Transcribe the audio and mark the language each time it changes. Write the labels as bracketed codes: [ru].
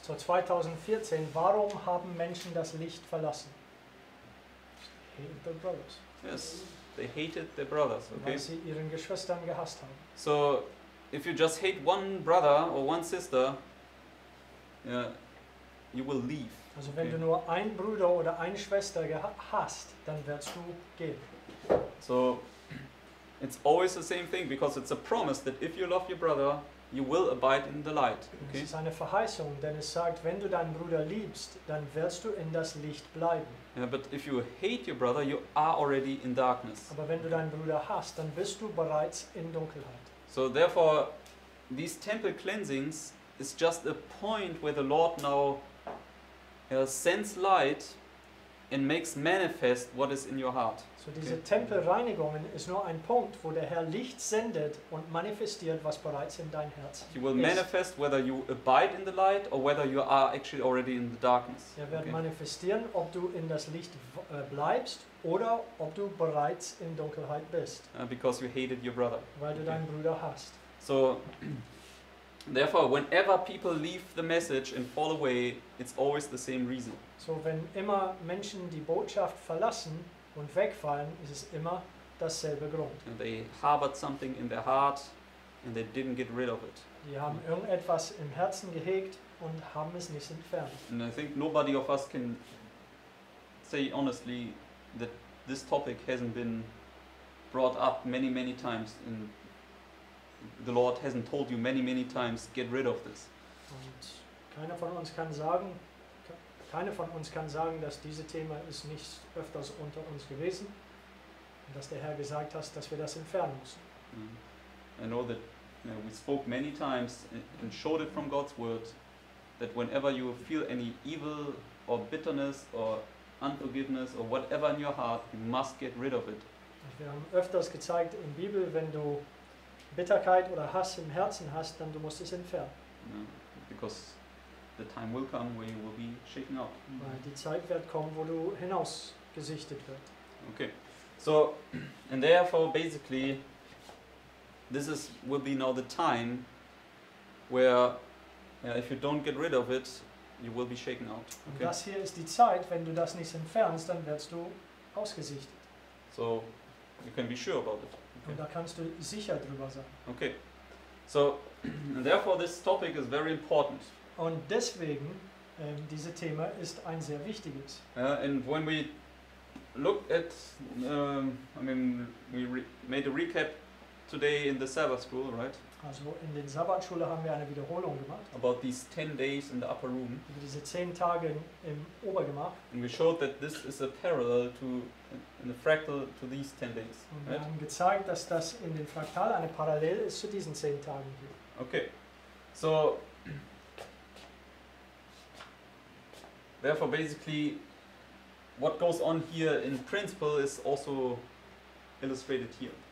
[de] So 2014, warum haben Menschen das Licht verlassen? [en] They hated their brothers. Yes. They hated their brothers, okay? [de] Weil sie ihren Geschwistern gehasst haben. [en] So, if you just hate one brother or one sister, you will leave. [de] Also wenn okay. du nur einen Bruder oder eine Schwester hast, dann wirst du gehen. [en] So, it's always the same thing, because it's a promise that if you love your brother, you will abide in the light. Okay? [de] Es ist eine Verheißung, denn es sagt, wenn du deinen Bruder liebst, dann wirst du in das Licht bleiben. [en] Yeah, but if you hate your brother, you are already in darkness. [de] Aber wenn du deinen Bruder hast, dann bist du bereits in Dunkelheit. [en] So therefore, these temple cleansings is just a point where the Lord now sends light and makes manifest what is in your heart. [de] So diese okay. Tempelreinigungen ist nur ein Punkt, wo der Herr Licht sendet und manifestiert, was bereits in dein Herz ist. [en] He will manifest whether you abide in the light or whether you are actually already in the darkness. [de] Er wird okay. manifestieren, ob du in das Licht bleibst oder ob du bereits in Dunkelheit bist. [en] Because you hated your brother. [de] Weil du okay. deinen Bruder hast. [en] So, therefore, whenever people leave the message and fall away, it's always the same reason. [de] So, wenn immer Menschen die Botschaft verlassen und wegfallen, ist es immer dasselbe Grund. [en] And they harbored something in their heart and they didn't get rid of it. [de] Die haben irgendetwas im Herzen gehegt und haben es nicht entfernt. [en] And I think nobody of us can say honestly that this topic hasn't been brought up many, many times. And the Lord hasn't told you many, many times, get rid of this. [de] Und keiner von uns kann sagen, dass dieses Thema ist nicht öfters unter uns gewesen und dass der Herr gesagt hat, dass wir das entfernen müssen. [en] I know that we spoke many times and showed it from God's word that whenever you feel any evil or bitterness or unforgiveness or whatever in your heart, you must get rid of it. [de] Wir haben öfters gezeigt in Bibel, wenn du Bitterkeit oder Hass im Herzen hast, dann du musst es entfernen. [en] Because the time will come where you will be shaken out. [de] Weil die Zeit wird kommen, wo du hinausgesichtet wird. [en] Okay. So, and therefore, basically, this is will be now the time where, if you don't get rid of it, you will be shaken out. Okay. [de] Und das hier ist die Zeit, wenn du das nicht entfernst, dann wirst du ausgesichtet. [en] So, you can be sure about it. [de] Okay. Und da kannst du sicher drüber sein. [en] Okay. So, and therefore, this topic is very important. [de] Und deswegen, dieses Thema ist ein sehr wichtiges. [en] And when we look at, we made a recap today in the Sabbath school, right? [de] Also in den Sabbatschule haben wir eine Wiederholung gemacht. [en] About these 10 days in the upper room. [de] Über diese 10 Tage im Obergemach. [en] And we showed that this is a parallel to in the fractal to these 10 days. [de] Und wir haben gezeigt, dass das in den Fraktal eine Parallel ist zu diesen 10 Tagen hier. [en] Okay. So therefore basically what goes on here in principle is also illustrated here.